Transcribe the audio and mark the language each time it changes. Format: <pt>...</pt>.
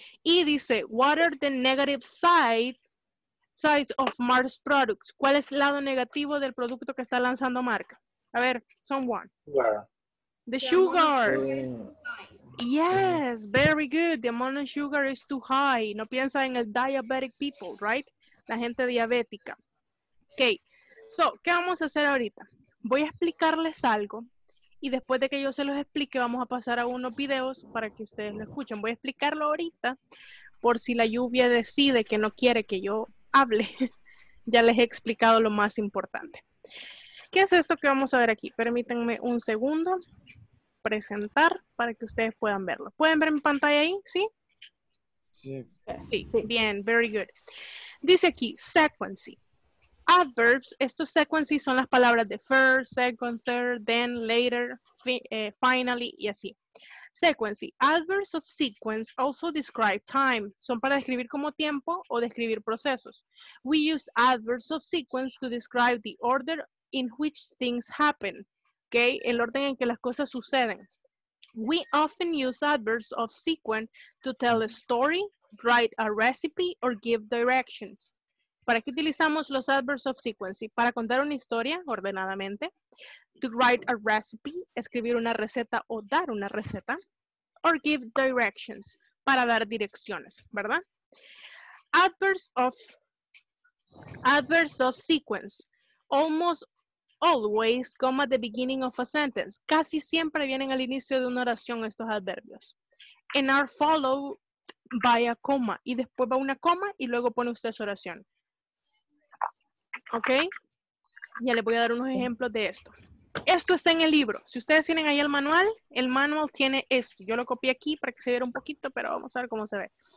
<es>Y dice,</es> <en>what are the negative sides of Mark's products?</en> <es>¿Cuál es el lado negativo del producto que está lanzando Mark? A ver,</es> <en>someone. Where? The sugar. Yes, very good. The amount of sugar is too high.</en> <es>No piensa en el</es> <en>diabetic people, right?</en> <es>La gente diabética. Okay, so, ¿qué vamos a hacer ahorita? Voy a explicarles algo. Y después de que yo se los explique, vamos a pasar a unos videos para que ustedes lo escuchen. Voy a explicarlo ahorita, por si la lluvia decide que no quiere que yo hable. Ya les he explicado lo más importante. ¿Qué es esto que vamos a ver aquí? Permítanme un segundo presentar para que ustedes puedan verlo. ¿Pueden ver mi pantalla ahí? ¿Sí? Sí. Sí, bien,</es> <en>very good.</en> <es>Dice aquí, sequency. Adverbs, estos sequences son las palabras de first, second, third, then, later, finally, y así.</es> <en>Sequency, adverbs of sequence also describe time.</en> <es>Son para describir como tiempo o describir procesos.</es> <en>We use adverbs of sequence to describe the order in which things happen.</en> <es>Okay, el orden en que las cosas suceden.</es> <en>We often use adverbs of sequence to tell a story, write a recipe, or give directions.</en> <es>¿Para qué utilizamos los adverbs of sequence? Para contar una historia ordenadamente.</es> <en>To write a recipe,</en> <es>escribir una receta o dar una receta.</es> <en>Or give directions,</en> <es>para dar direcciones, ¿verdad?</es> <en>Adverbs of sequence. Almost always come at the beginning of a sentence.</en> <es>Casi siempre vienen al inicio de una oración estos adverbios.</es> <en>And are followed by a comma.</en> <es>Y después va una coma y luego pone usted su oración. Ok, ya les voy a dar unos ejemplos de esto. Esto está en el libro. Si ustedes tienen ahí el manual tiene esto. Yo lo copié aquí para que se vea un poquito, pero vamos a ver cómo se ve.</es>